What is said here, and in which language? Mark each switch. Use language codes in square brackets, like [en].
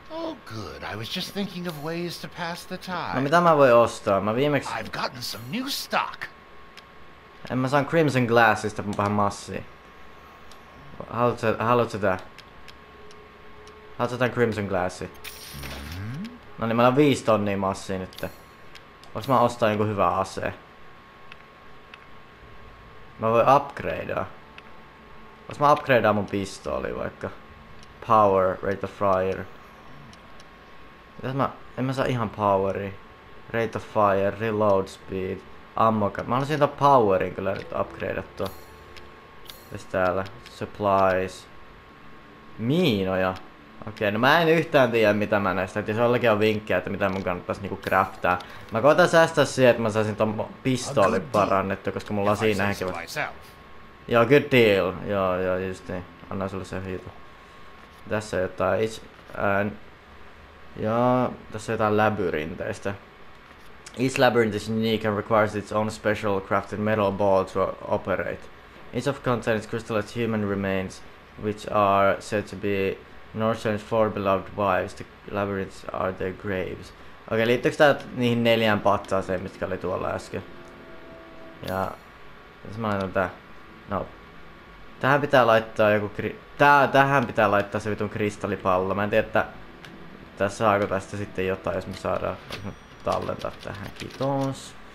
[en] Oh good, I was just thinking of ways to pass the time. [fi] No mitä mä voin ostaa? Mä viimeksi... [en] I've gotten some new stock. [fi] En mä saan Crimson Glassista vähän massia. Haluatko tän Crimson Glassi? No niin, mä oon 5 000 massia nyt. Voinko mä ostaa jonkun hyvän ase? Mä voin upgradea. Voinko mä upgradea mun pistooli vaikka? [en] Power, rate of fire. [fi] Mitäs mä... En mä saa ihan poweri. [en] Rate of fire, reload speed. [fi] Ammokat. Mä haluaisin jotain powerin kyllä nyt upgradeattua. Täs täällä. Supplies. Miinoja. Okei, no mä en yhtään tiedä mitä mä näistä, että jollakin on vinkkejä, että mitä mun kannattaisi niinku craftaa. Mä koitan säästää siihen, että mä saisin ton pistooli parannettu, koska mulla on siinä henkilö. Joo, [en] good deal. [fi] Joo, joo, just niin. Anna sulle se hito. Tässä on jotain joo, tässä on jotain labyrinteistä. [en] Each labyrinth is unique and requires its own special crafted metal ball to operate. Each of contains crystallized human remains, which are said to be Northern's four beloved wives. The labyrinths are their graves. [fi] Okei, liittyykö tää niihin neljään patsaaseen, mitkä oli tuolla äsken? Ja tässä mä laitan tää. No. Tähän pitää laittaa joku tähän pitää laittaa se vitun kristallipallo. Mä en tiedä, että tässä saako tästä sitten jotain, jos me saadaan tallentaa tähän. Kiitos.